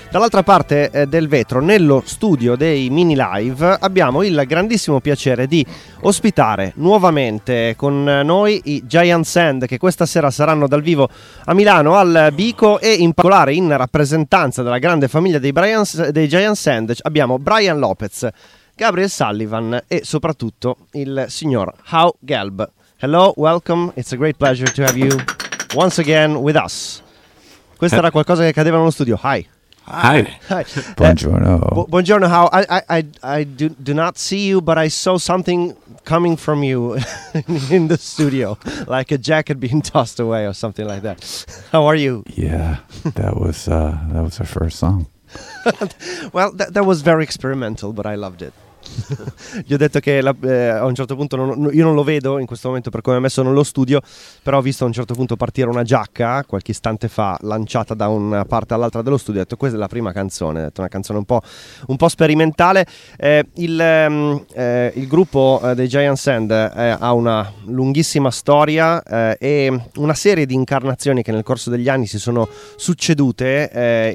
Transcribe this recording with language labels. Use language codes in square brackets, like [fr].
[it] Dall'altra parte del vetro, nello studio dei Mini Live, abbiamo il grandissimo piacere di ospitare nuovamente con noi i Giant Sand, che questa sera saranno dal vivo a Milano al Bico, e in particolare in rappresentanza della grande famiglia dei Giant Sand abbiamo Brian Lopez, Gabriel Sullivan e soprattutto il signor Hau Gelb. [en] Hello, welcome, it's a great pleasure to have you once again with us. [it] Questo era qualcosa che cadeva nello studio. [en] Hi. Hi. Hi. [it] Buongiorno. Buongiorno, Hau. [en] I do not see you, but I saw something coming from you in the studio, like a jacket being tossed away or something like that. How are you? Yeah, that was our first song. Well, that was very experimental, but I loved it. [it] Gli ho detto che a un certo punto io non lo vedo in questo momento per come è messo nello studio, però ho visto a un certo punto partire una giacca qualche istante fa, lanciata da una parte all'altra dello studio. Ho detto: questa è la prima canzone, ho detto, una canzone un po' sperimentale. Il gruppo dei Giant Sand ha una lunghissima storia e una serie di incarnazioni che nel corso degli anni si sono succedute.